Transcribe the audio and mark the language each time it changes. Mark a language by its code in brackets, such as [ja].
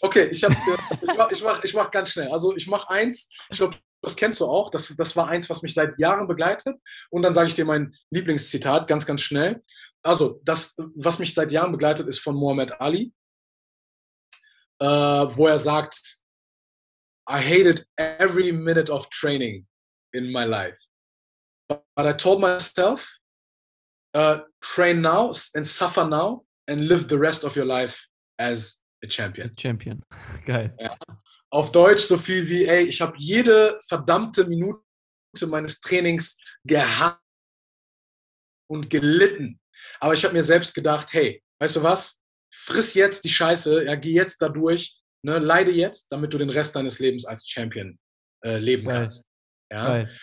[de] Okay, ich mach ganz schnell. Also ich mache eins, ich glaube, das kennst du auch. Das war eins, was mich seit Jahren begleitet. Und dann sage ich dir mein Lieblingszitat ganz, ganz schnell. Also das, was mich seit Jahren begleitet, ist von Muhammad Ali, wo er sagt, [en] I hated every minute of training in my life. But I told myself, train now and suffer now and live the rest of your life as a champion. A champion. [de] Geil. Ja. Auf Deutsch so viel wie, ey, ich habe jede verdammte Minute meines Trainings gehasst und gelitten. Aber ich habe mir selbst gedacht, hey, weißt du was? Friss jetzt die Scheiße, ja, geh jetzt da durch, ne, leide jetzt, damit du den Rest deines Lebens als Champion leben Geil. Kannst. Ja?